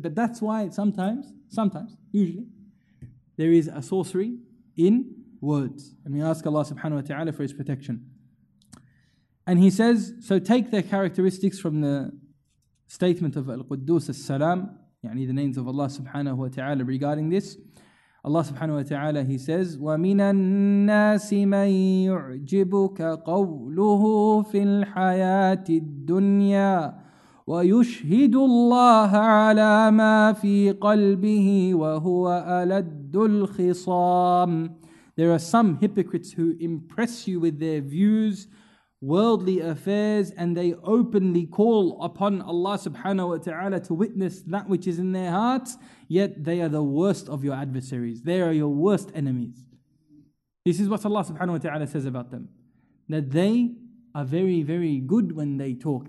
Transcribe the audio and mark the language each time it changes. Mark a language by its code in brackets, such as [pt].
[en] But that's why sometimes, usually, there is a sorcery in words. And we ask Allah subhanahu wa ta'ala for his protection. And he says, so take their characteristics from the statement of Al-Quddus as-Salam, the names of Allah subhanahu wa ta'ala regarding this. Allah subhanahu wa ta'ala, he says, [ar] وَمِنَ النَّاسِ مَنْ يُعْجِبُكَ قَوْلُهُ فِي الْحَيَاةِ الدُّنْيَا وَيُشْهِدُ اللَّهَ عَلَى مَا فِي قَلْبِهِ وَهُوَ أَلَدُّ الْخِصَامِ. [en] There are some hypocrites who impress you with their views worldly affairs and they openly call upon Allah subhanahu wa ta'ala to witness that which is in their hearts, yet they are the worst of your adversaries. They are your worst enemies. This is what Allah subhanahu wa ta'ala says about them. That they are very, very good when they talk.